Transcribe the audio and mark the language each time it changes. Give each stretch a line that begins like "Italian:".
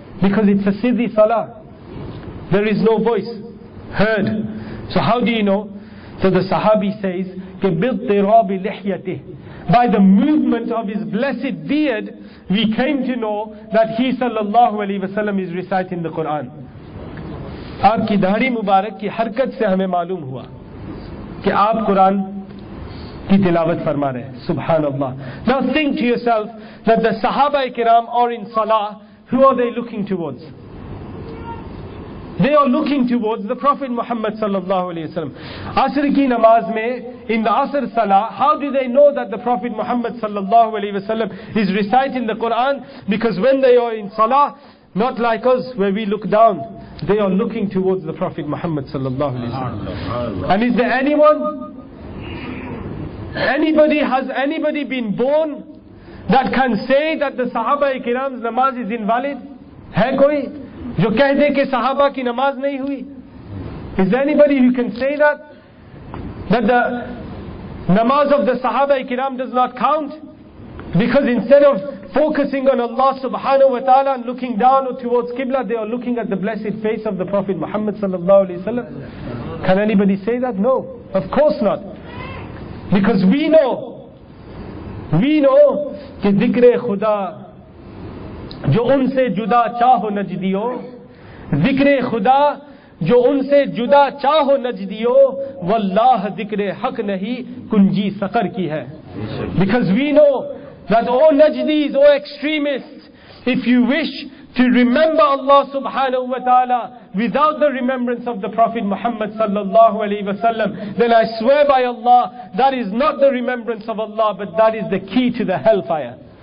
English: Because it's a sirri salah. There is no voice heard. So how do you know? So the Sahabi says,
Arabic: بِالْطِرَابِ لِحْيَتِهِ,
English: by the movement of his blessed beard, we came to know that he sallallahu alayhi wa sallam is reciting the Quran.
Urdu: آپ کی داڑھی مبارک کی حرکت سے ہمیں معلوم ہوا کہ آپ قرآن کی تلاوت فرما رہے ہیں. سبحان اللہ.
English: Now think to yourself that the صحابہ کرام are in salah, who are they looking towards? They are looking towards the Prophet Muhammad sallallahu alayhi wa sallam.
Urdu: Asr ki namaz mein,
English: in the Asr Salah, how do they know that the Prophet Muhammad sallallahu alayhi wa sallam is reciting the Quran? Because when they are in salah, not like us where we look down, they are looking towards the Prophet Muhammad sallallahu alayhi wa sallam. And is there anybody been born that can say that the Sahaba Ikram's namaz is invalid?
Urdu: Hai koi? جو کہہ دے کہ صحابہ کی نماز نہیں ہوئی.
English: Is there anybody who can say that? That the namaz of the صحابہ اکرام does not count? Because instead of focusing on Allah subhanahu wa ta'ala and looking down or towards Qibla, they are looking at the blessed face of the Prophet Muhammad sallallahu alayhi wa sallam. Can anybody say that? No, of course not. Because we know
Urdu: کہ ذکر خدا جو ان سے جدا چاہو نجدیو, ذکر خدا جو ان سے جدا چاہو نجدیو, واللہ ذکر حق نہیں کنجی سقر کی ہے.
English: Because we know that all Najdis, all extremists, if you wish to remember Allah subhanahu wa ta'ala without the remembrance of the Prophet Muhammad sallallahu alayhi wa sallam, then I swear by Allah, that is not the remembrance of Allah, but that is the key to the hellfire.